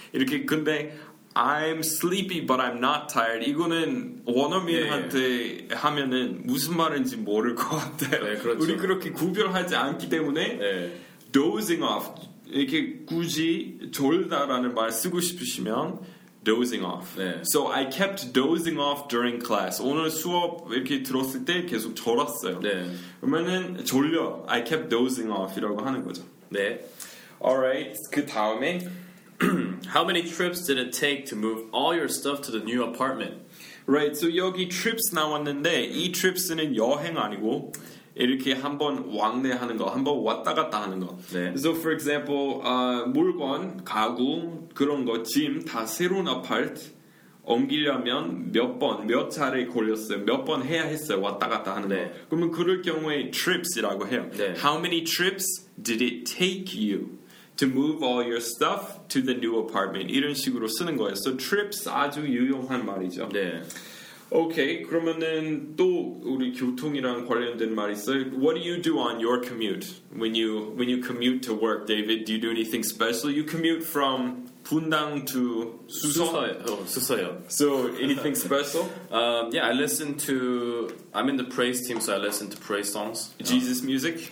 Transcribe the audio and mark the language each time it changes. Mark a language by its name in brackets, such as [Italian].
[Korean] 이렇게 근데 [English] I'm sleepy but I'm not tired. [Korean] 이거는 원어민한테 네. 하면은 무슨 말인지 모를 것 같아요. 네, 그렇죠. 우리 그렇게 구별하지 않기 때문에 네. dozing off. 이렇게 굳이 졸다라는 말 쓰고 싶으시면 dozing off. 네. [English] So I kept dozing off during class. [Korean] 오늘 수업 이렇게 들었을 때 계속 졸았어요. 네. 그러면은 졸려. [English] I kept dozing off [Korean] 이라고 하는 거죠. 네. Alright. 그 다음에 [English] How many trips did it take to move all your stuff to the new apartment? Right. So [Korean] 여기 trips 나왔는데 이 trips는 여행 아니고 이렇게 한번 왕래하는 거, 한번 왔다 갔다 하는 거. 네. [English] So for example, [Korean] 물건, 가구 그런 거, 짐 다 새로운 아파트 옮기려면 몇 번, 몇 차례 걸렸어요. 몇 번 해야 했어요. 왔다 갔다 하는 네. 거. 그러면 그럴 경우에 trips이라고 해요. 네. [English] How many trips did it take you to move all your stuff to the new apartment? [Korean] 이런 식으로 쓰는 거예요. So trips 아주 유용한 말이죠. 네. 오케이, okay, 그러면은 또 우리 교통이랑 관련된 말 있어요. [English] What do you do on your commute? When you commute to work, David, do you do anything special? You commute from 분당 to 수서? [Korean] 수서요. [English] So, anything special? Yeah, I'm in the praise team, so I listen to praise songs. Jesus music?